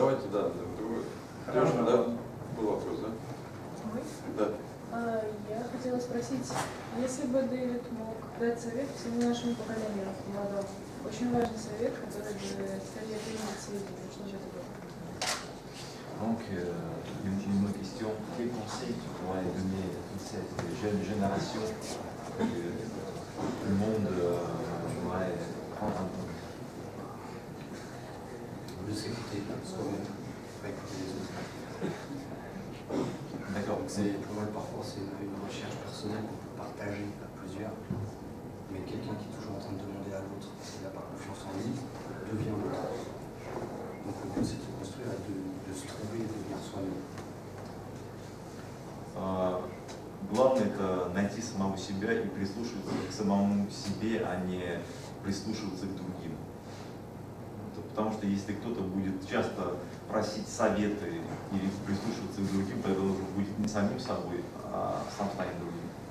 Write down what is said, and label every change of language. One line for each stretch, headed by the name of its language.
Russian: Давайте, да, другой. Хорошо. Да, был вопрос, да? Да. Я хотела спросить, если бы Давид мог дать совет всему нашему поколению молодому, очень важный совет, который бы советовал ему, что же это было?
French: Donc, une ultime question, quel conseil tu pourrais donner à toute cette jeune génération que le monde pourrait prendre en compte? Juste écouter soi-même, pas écouter les autres. D'accord. Donc c'est, pour moi, parfois, c'est une recherche personnelle qu'on peut partager à plusieurs. Mais quelqu'un qui est toujours en train de demander à l'autre s'il n'a pas confiance en lui, devient l'autre. Donc le but, c'est de se construire et de se trouver et de devenir soi-même.
Russian: Главное – это найти самого себя и прислушиваться к самому себе, а не прислушиваться к другим. Потому что если кто-то будет часто просить советы или прислушиваться к другим, то это уже будет не самим собой, а сам станет другим.